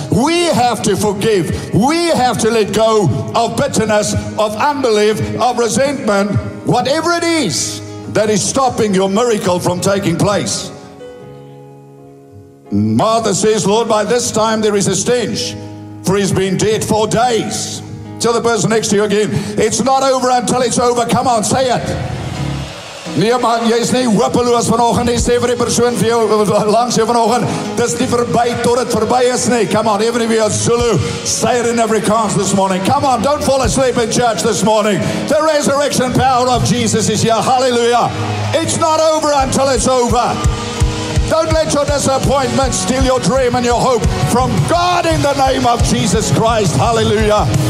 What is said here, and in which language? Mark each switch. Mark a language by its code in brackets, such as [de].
[en] We have to forgive. We have to let go of bitterness, of unbelief, of resentment, whatever it is that is stopping your miracle from taking place. Martha says, Lord, by this time there is a stench, for he's been dead 4 days. Tell the person next to you again, it's not over until it's over. Come on, say it. [af] Niemand, jy is nie hopeloos vanoggend nie. Sê vir die persoon vir jou langs jou vanoggend, dis nie verby tot dit verby is nie. [en] Come on, even if you are Zulu, say it in every chance this morning. Come on, don't fall asleep in church this morning. The resurrection power of Jesus is here. Hallelujah. It's not over until it's over. Don't let your disappointment steal your dream and your hope from God in the name of Jesus Christ. Hallelujah.